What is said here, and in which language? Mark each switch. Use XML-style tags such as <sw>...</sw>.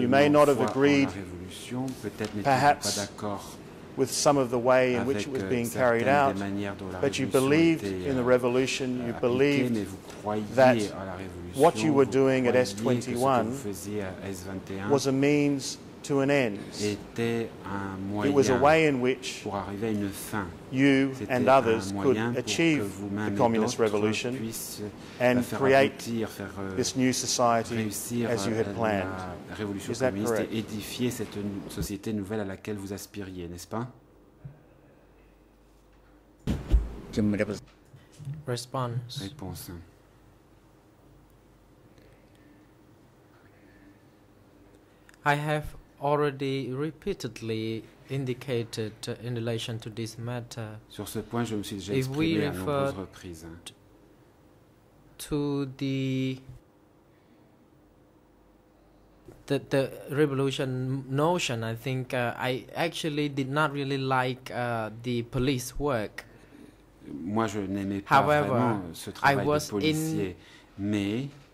<en>You may not have agreed, perhaps, with some of the way in which it was being carried out, but you believed in the revolution, you believed that what you were doing at S21 was a means to an end. It was a way in which you and others could achieve the communist revolution and create this new society as you had planned. Is that correct?</en> <fr>Édifier cette société nouvelle à laquelle vous aspiriez, n'est-ce pas?</fr> <en>Response. I have already repeatedly indicated in relation to this matter.</en> <fr>Sur ce point, je me suis déjà exprimé à nombreuses reprises.</fr> <en>To the revolution notion, I think I actually did not really like the police work.</en> <fr>Moi, je n'aimais pas vraiment ce travail de policier, mais</fr>